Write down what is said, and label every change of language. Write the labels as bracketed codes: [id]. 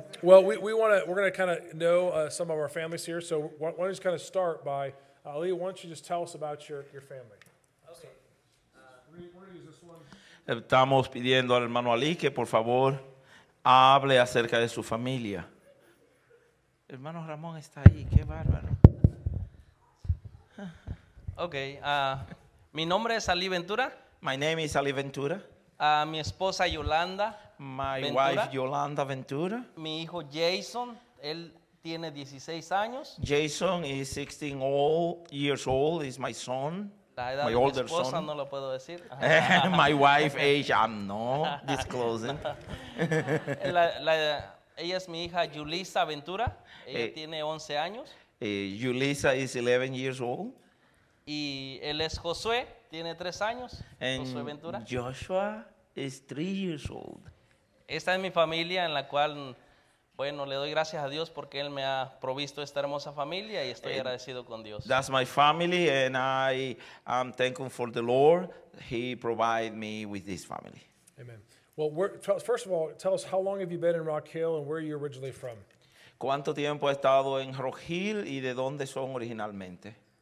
[en] Well, we're gonna kind of know some of our families here. So why don't you just kind of start by Ali? Why don't you just tell us about your family? Okay. [es] Estamos pidiendo al hermano Ali que por favor hable acerca de su familia. Hermano Ramón está ahí. Qué bárbaro. Okay. Mi nombre es Ali Ventura. [en] My name is Ali Ventura. [es] Mi esposa Yolanda. [en] My Ventura. Wife Yolanda Ventura. [es] Mi hijo Jason, él tiene 16 años. [en] Jason is 16 years old. Is my son. [es] La edad [en] my [es] de [en] older [es] mi esposa [en] son. [es] No lo puedo decir. [en] My wife age, I'm not disclosing. [es] ella es mi hija Yulisa Ventura. Ella tiene 11 años. [en] Yulisa is 11 years old. [es] Y él es Josué, tiene 3 años. [en] And [es] Josué Ventura. [en] Joshua is 3 years old. [es] Esta es mi familia en la cual, bueno, le doy gracias a Dios porque él me ha provisto esta hermosa familia y estoy agradecido con Dios. [en] That's my family and I am thankful for the Lord. He provided me with this family. Amen. Well, first of all, tell us how long have you been in Rock Hill and where are you originally from? [es] ¿Cuánto tiempo he estado en Rock Hill y de dónde son originalmente?